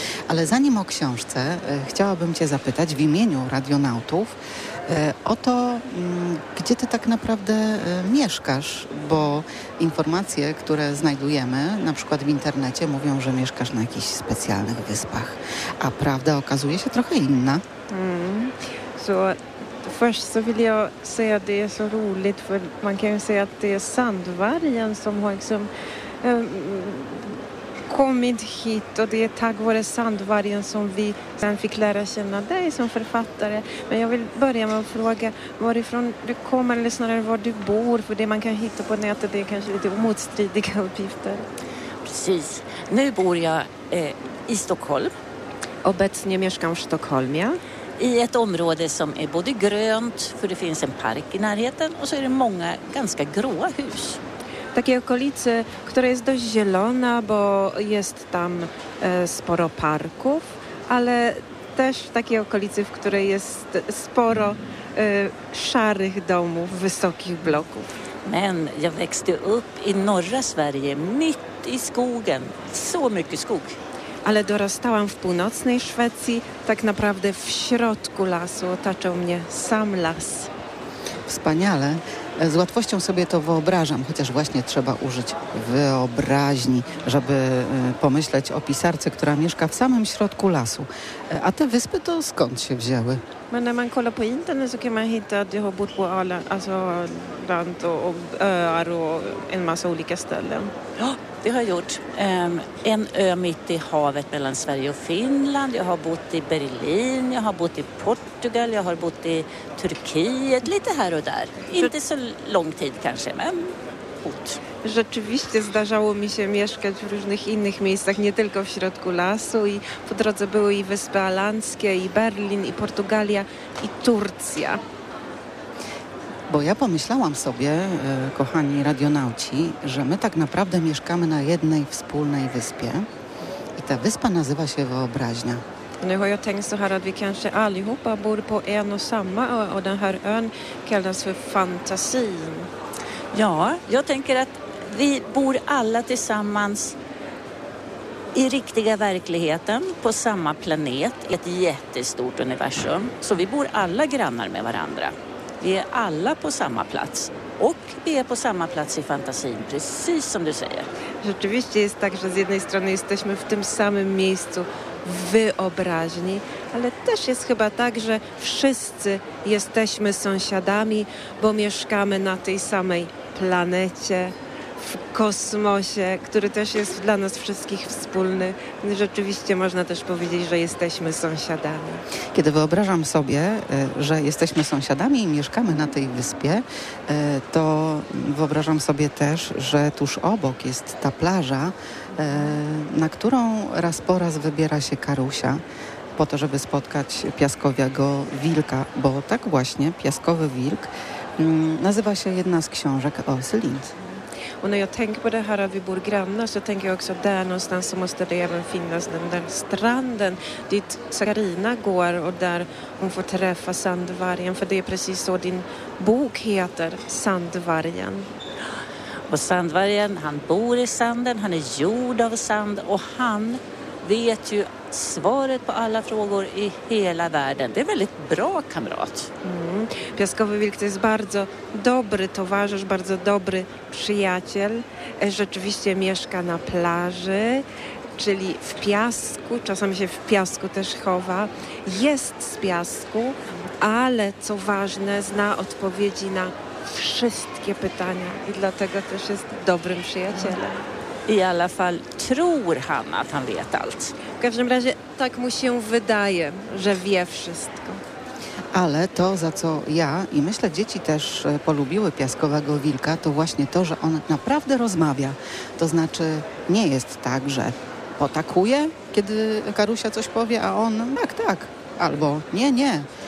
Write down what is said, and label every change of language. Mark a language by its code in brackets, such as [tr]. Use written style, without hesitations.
[pl] Ale zanim o książce, chciałabym cię zapytać w imieniu radionautów o to, gdzie ty tak naprawdę mieszkasz, bo informacje, które znajdujemy na przykład w internecie, mówią, że mieszkasz na jakichś specjalnych wyspach, a prawda okazuje się trochę inna. [sv] Så först så vill jag säga att det är så roligt, för man kan ju säga att det är sandvargen som har liksom, kommit hit, och det är tack vare sandvargen som vi sen fick lära känna dig som författare. Men jag vill börja med att fråga varifrån du kommer, eller snarare var du bor, för det man kan hitta på nätet det är kanske lite motstridiga uppgifter. Precis. Nu bor jag i Stockholm. [pl] Obecnie mieszkam w Sztokholmie. [sv] I ett område som är både grönt, för det finns en park i närheten, och så är det många ganska gråa hus. [pl] Takie okolice, która jest dość zielona, bo jest tam sporo parków, ale też takie okolice, w której jest sporo szarych domów, wysokich bloków. [sv] Men jag växte upp i norra Sverige, mitt i skogen. Så mycket skog. [pl] Ale dorastałam w północnej Szwecji, tak naprawdę w środku lasu, otaczał mnie sam las. Wspaniale. Z łatwością sobie to wyobrażam, chociaż właśnie trzeba użyć wyobraźni, żeby pomyśleć o pisarce, która mieszka w samym środku lasu. A te wyspy to skąd się wzięły? [sv] Men när man kollar på internet så kan man hitta att jag har bott på Öland, alltså land och öar och en massa olika ställen. Ja, det har jag gjort. En ö mitt i havet mellan Sverige och Finland. Jag har bott i Berlin, jag har bott i Portugal, jag har bott i Turkiet, lite här och där. Inte så lång tid kanske, men bott. [pl] Rzeczywiście zdarzało mi się mieszkać w różnych innych miejscach, nie tylko w środku lasu, i po drodze były i Wyspy Alandzkie, i Berlin, i Portugalia, i Turcja. Bo ja pomyślałam sobie, kochani radionauci, że my tak naprawdę mieszkamy na jednej wspólnej wyspie i ta wyspa nazywa się Wyobraźnia. [sv] Nu har jag tänkt så här att vi kanske allihopa bor på en och samma ö, och den här ön kallas för Fantasin. Ja, jag tänker att vi bor alla tillsammans i riktiga verkligheten på samma planet, ett jättestort universum. Så vi bor alla grannar med varandra. Vi är alla på samma plats. Och vi är på samma plats i fantasin, precis som du säger. [pl] Rzeczywiście jest tak, że z jednej strony jesteśmy w tym samym miejscu wyobraźni, ale też jest chyba tak, że wszyscy jesteśmy sąsiadami, bo mieszkamy na tej samej planecie, w kosmosie, który też jest dla nas wszystkich wspólny. Rzeczywiście można też powiedzieć, że jesteśmy sąsiadami. Kiedy wyobrażam sobie, że jesteśmy sąsiadami i mieszkamy na tej wyspie, to wyobrażam sobie też, że tuż obok jest ta plaża, na którą raz po raz wybiera się Karusia po to, żeby spotkać piaskowego wilka, bo tak właśnie piaskowy wilk nazywa się jedna z książek Åsa Lind. [sv] Och när jag tänker på det här att vi bor grannar, så tänker jag också att där någonstans så måste det även finnas den där stranden dit Sakarina går, och där hon får träffa sandvargen, för det är precis så din bok heter, Sandvargen. Och sandvargen, han bor i sanden, han är gjord av sand, och han vet ju svaret på alla frågor i hela världen. Det är väldigt bra kamrat. Mm. [pl] Piaskowy wilk to jest bardzo dobry towarzysz, bardzo dobry przyjaciel. Rzeczywiście mieszka na plaży, czyli w piasku. Czasami się w piasku też chowa. Jest z piasku, ale co ważne, zna odpowiedzi na wszystkie pytania i dlatego też jest dobrym przyjacielem. [sv] i alla fall tror han att han vet allt. [pl] W każdym razie tak mu się wydaje, że wie wszystko. Ale to, za co ja i myślę dzieci też polubiły piaskowego wilka, to właśnie to, że on naprawdę rozmawia. To znaczy nie jest tak, że potakuje, kiedy Karusia coś powie, a on tak, tak, albo nie, nie.